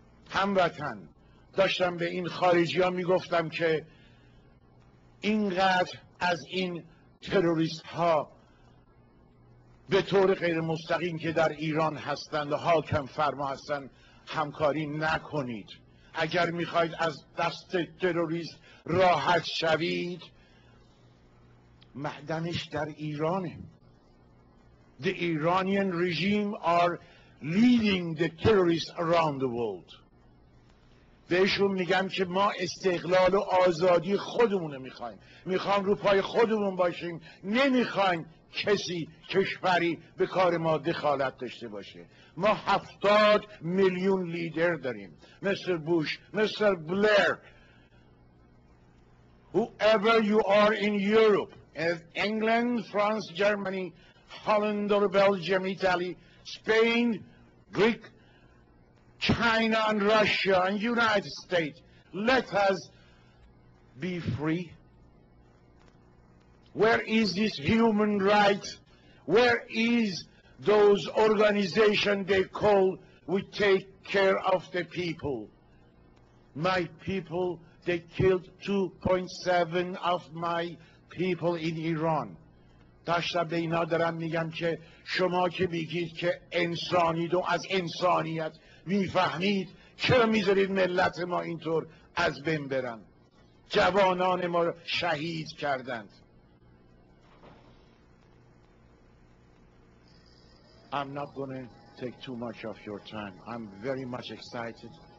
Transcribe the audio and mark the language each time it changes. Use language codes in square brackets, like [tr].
[fa] هموطن داشتم به این خارجی ها میگفتم که اینقدر از این تروریست ها به طور غیر مستقیم که در ایران هستند و حاکم فرما هستند همکاری نکنید. اگر میخواید از دست تروریست راحت شوید، معدنش در ایرانه. [en] The Iranian regime are leading the terrorists around the world. [fa] بهشون میگم که ما استقلال و آزادی خودمونه میخوایم. میخوام رو پای خودمون باشیم. نمیخوایم کسی کشوری به کار ما دخالت داشته باشه. ما 70 میلیون لیدر داریم. مستر بوش، مستر بلر. [en] Whoever you are in Europe. As England, France, Germany, Holland or Belgium, Italy, Spain, Greek, China and Russia and United States. Let us be free. Where is this human right? Where is those organizations they call we take care of the people? My people, they killed 2.7 of my people in Iran. [fa] داشتم به اینا دارم میگم که شما که میگید که انسانید و از انسانیت میفهمید، چرا میذارید ملت ما اینطور از بین برن؟ جوانان ما رو شهید کردند. [en] I'm not gonna take too much of your time. I'm very much excited.